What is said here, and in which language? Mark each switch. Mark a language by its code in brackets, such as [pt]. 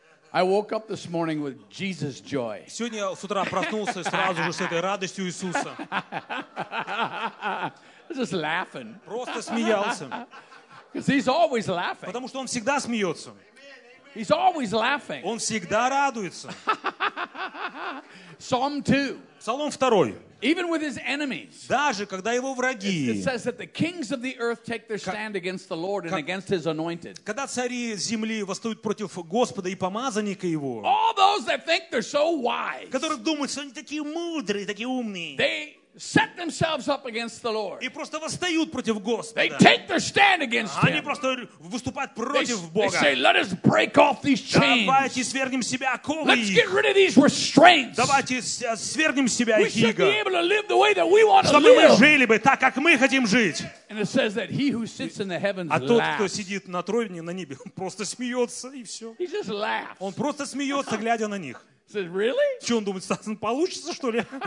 [en] I woke up this morning with Jesus joy. [ru] Сегодня с утра проснулся сразу же с этой радостью Иисуса. [en] Just laughing. [ru] Просто смеялся. [en] Because he's always laughing. [ru] Потому что он всегда смеется. [en] He's always laughing. [ru] Он всегда радуется. [en] Psalm 2. [ru] Псалом 2. [en] Even with his enemies. [ru] Даже когда его враги. [en] It says that the kings of the earth take their stand against the Lord and against his anointed. [ru] Когда цари земли восстают против Господа и помазанника его. [en] All those that think they're so wise. [ru] Которые думают, что они такие мудрые, такие умные. [en] They set themselves up against the Lord. [ru] И просто восстают против Господа. [en] They take their stand against him. [ru] Они просто выступают против Бога. [en] They say, let us break off these chains. [ru] Давайте свергнем себя оковы. [en] Let's get rid of these restraints. [ru] Давайте свергнем себя их иго. [en] We should be able to live the way that we want to live. [ru] Чтобы мы жили бы так, как мы хотим жить. [en] And it says that he who sits in the heavens laughs. [ru] А тот, кто сидит на троне на небе, просто смеется и все. [en] He just laughs. [ru] Он просто смеется, глядя на них. [en] He says, really? [ru] Что он думает, Сатан, получится что ли?